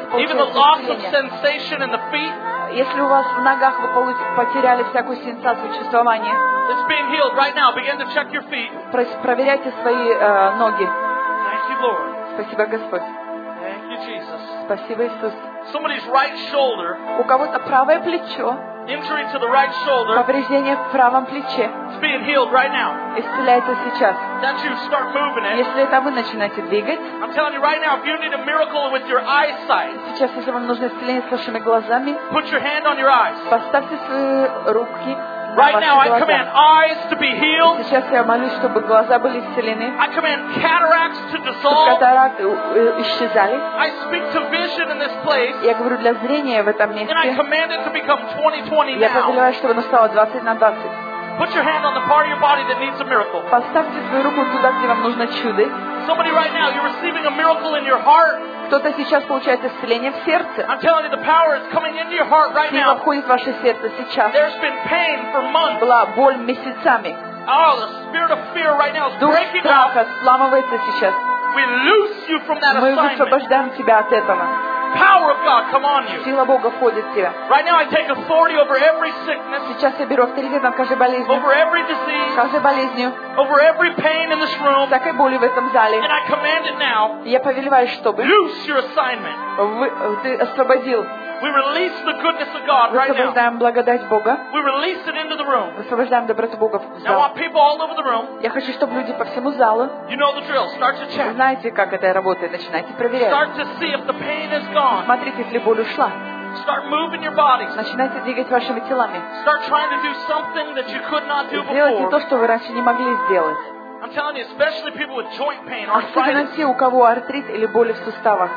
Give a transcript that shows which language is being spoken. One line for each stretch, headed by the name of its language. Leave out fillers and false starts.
English: Even the loss of sensation in the feet.
Russian: Если у вас в ногах вы потеряли всякую сенсацию чувствования.
English: It's being healed right now. Begin to check your feet.
Russian: Проверяйте свои ноги.
English: Thank you, Lord.
Russian: Спасибо, Господь.
English: Thank you, Jesus.
Russian: Спасибо, Иисус.
English: Somebody's right shoulder.
Russian: У кого-то правое плечо.
English: Injury to the right shoulder.
Russian: Повреждение в правом плече.
English: It's being healed right now.
Russian: Исцеляется сейчас.
English: That you start moving it.
Russian: Если это вы начинаете двигать.
English: I'm telling you right now, if you need a miracle with your eyesight.
Russian: Сейчас, если вам нужно исцеление с вашими глазами.
English: Put your hand on your eyes.
Russian: Поставьте свои руки.
English: Right now, I command eyes to be healed.
Russian: Сейчас я молюсь, чтобы глаза были исцелены.
English: I command cataracts to dissolve.
Russian: Катаракты исчезали.
English: I speak to vision in this place.
Russian: Я говорю для зрения в этом месте.
English: And I command it to become 20/20 now.
Russian: Я повелеваю, чтобы оно стало 20/20.
English: Put your hand on the part of your body that needs a miracle.
Russian: Поставьте свою руку туда, где вам нужно чудо.
English: Somebody right now, you're receiving a miracle in your heart.
Russian: Кто-то сейчас получает исцеление в сердце.
English: I'm telling you, the power is coming into your heart right now.
Russian: Сила входит в ваше сердце сейчас.
English: There's been pain for months.
Russian: Была боль месяцами.
English: Oh, the spirit of fear right now is breaking out.
Russian: Дух страха сломывается сейчас.
English: We loose you from that assignment.
Russian: Мы высвобождаем тебя от этого.
English: Power of God, come on you.
Russian: Сила Бога входит в тебя.
English: Right now, I take authority over every sickness.
Russian: Сейчас я беру авторитет над каждой болезнью.
English: Over every disease.
Russian: Каждой болезнью.
English: Over every pain in this room.
Russian: Всякой боли в этом зале.
English: And I command it now.
Russian: Я повелеваю, чтобы.
English: Loose your assignment.
Russian: Ты освободил.
English: We release the goodness of God right now.
Russian: Высвобождаем благодать Бога.
English: We release it into the room.
Russian: Высвобождаем доброту Бога в зал.
English: Now I want people all over the room.
Russian: Я хочу, чтобы люди по всему залу.
English: You know the drill. Start to check.
Russian: Вы знаете, как это работает. Начинайте проверять.
English: Start to see if the pain is gone.
Russian: Смотрите, если боль ушла.
English: Start moving your body.
Russian: Начинайте двигать вашими телами.
English: Start trying to do something that you could not do before.
Russian: Делайте то, что вы раньше не могли сделать.
English: I'm telling you, especially people with joint pain, arthritis.
Russian: Особенно те, у кого артрит или боли в суставах.